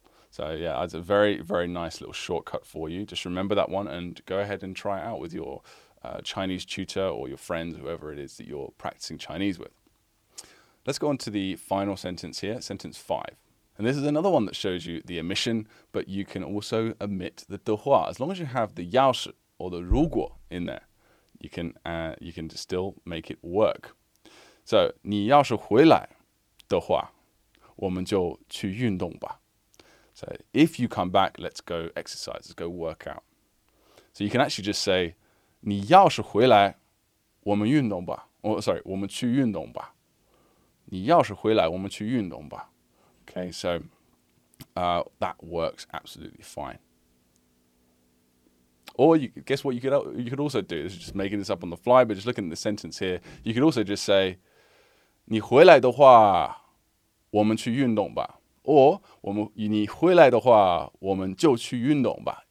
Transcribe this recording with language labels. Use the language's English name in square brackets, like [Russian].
[English] So yeah, that's a very, very nice little shortcut for you. Just remember that one and go ahead and try it out with your Chinese tutor or your friends, whoever it is that you're practicing Chinese with. Let's go on to the final sentence here, sentence five. And this is another one that shows you the omission, but you can also omit the 的话. As long as you have the 要是 or the 如果 in there, you can still make it work. [Chinese] So, 你要是回来的话,我们就去运动吧. [English] So, if you come back, let's go exercise, let's go work out. So, you can actually just say, [Chinese] 你要是回来,我们运动吧. [English] Sorry, [Chinese] 我们去运动吧. 你要是回来,我们去运动吧. [English] Okay, so that works absolutely fine. Or you guess what you could also do? This is just making this up on the fly, but just looking at the sentence here, you could also just say, [Chinese] 你回来的话,我们去运动吧. Or 你回来的话,我们就去运动吧.